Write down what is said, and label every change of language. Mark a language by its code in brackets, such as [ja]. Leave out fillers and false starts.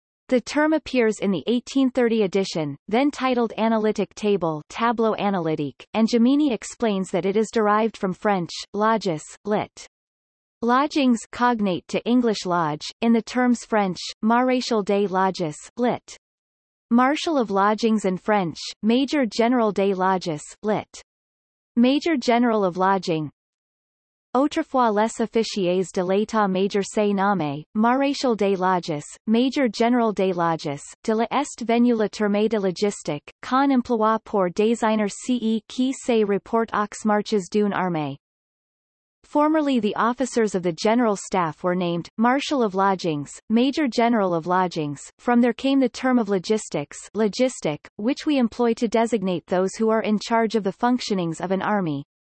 [en] The term appears in the 1830 edition, then titled Analytic Table, Tableau Analytique, and Gemini explains that it is derived from French, logis, lit. Lodgings, cognate to English lodge, in the terms French, maréchal des logis, lit. Marshal of lodgings, and French, major general des logis, lit. Major general of lodging. [fr] Autrefois les officiers de l'état major se nommaient, maréchal des logis, major general des logis, de la est venu le terme de logistique, qu'on emploie pour designer ce qui se reporte aux marches d'une armée. [en] Formerly the officers of the general staff were named Marshal of Lodgings, Major General of Lodgings. From there came the term of logistics, logistic, which we employ to designate those who are in charge of the functionings of an army.